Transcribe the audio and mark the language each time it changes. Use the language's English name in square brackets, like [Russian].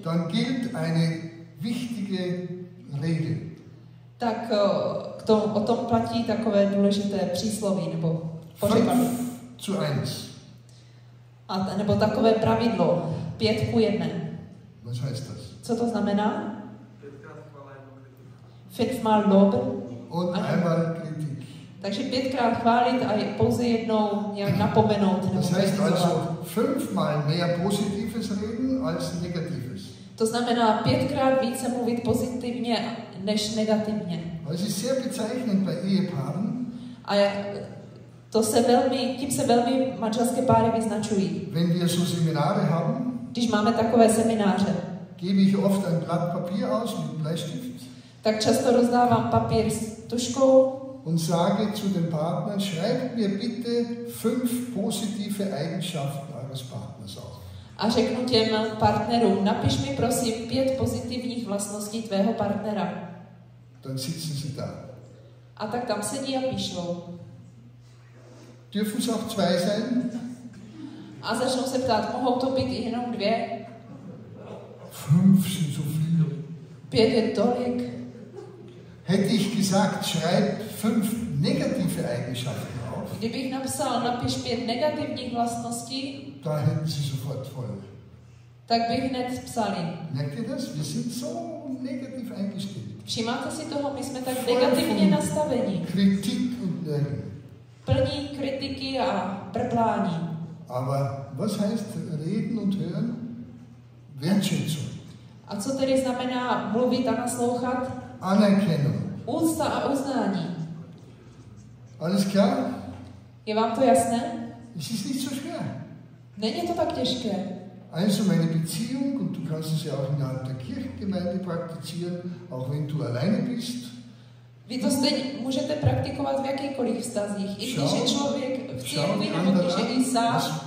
[German] dann gilt eine wichtige Rede. [Czech] Tak k tom, o tom platí takové důležité přísloví nebo pořekadlo. [German] 5:1. [Czech] A nebo takové pravidlo 5:1. [German] Was heißt das? [Czech] Co to znamená? [German] Fünfmal loben. Und einmal kritik. [Czech] Takže pětkrát chválit a pouze jednou nějak napomenout. [German] Das heißt also fünfmal mehr positives reden als negatives. [Czech] To znamená pětkrát více mluvit pozitivně než negativně. [German] Das ist sehr bezeichnend bei Ehepaaren. [Czech] A to se velmi, tím se velmi manželské páry vyznačují. [German] Wenn wir so Seminare haben, [Czech] když máme takové semináře, [German] gebe ich oft ein Blatt Papier aus mit Bleistift. [Czech] Tak často rozdávám papír s tuškou. [German] Und sage zu den Partnern, schreibt mir bitte 5 positive Eigenschaften eures Partners auf. [Czech] A řeknu těm partnerům, napiš mi prosím 5 pozitivních vlastností tvého partnera. [German] Dann sitzen sie da. [Czech] A tak tam sedí a píšou. [German] Dürfen es auch 2 sein? [Czech] A začnou se ptát, mohou to být jenom 2? [German] 5 sind so viel. [Czech] 5 je tolik. [German] Hätte ich gesagt, schreib 5 negative Eigenschaften auf. [Czech] Kdyby ich napsal, napiš 5 negativních vlastností. [German] Da hätten sie sofort voll. [Czech] Tak bych hned psali. [German] Merkt ihr das? Wir sind so negativ eingestellt. [Czech] Všimáte si toho, my jsme tak negativně nastavení. [German] Kritik und Lernen. [Czech] Plní kritiky a brblání. [German] Aber was heißt reden und hören? Wertschätzung. [Czech] A co tedy znamená mluvit a naslouchat? [German] Anerkennung. [Czech] Úcta a uznání. [German] Alles klar? [Czech] Je vám to jasné? [German] Es ist nicht so schwer. [Czech] Není to tak těžké. [German] Also meine Beziehung, und du kannst es ja auch innerhalb der Kirchengemeinde praktizieren, auch wenn du alleine bist. [Czech] Vy to stejně můžete praktikovat v jakýchkoliv vztazích, i když je člověk v církvi nebo když je i sám.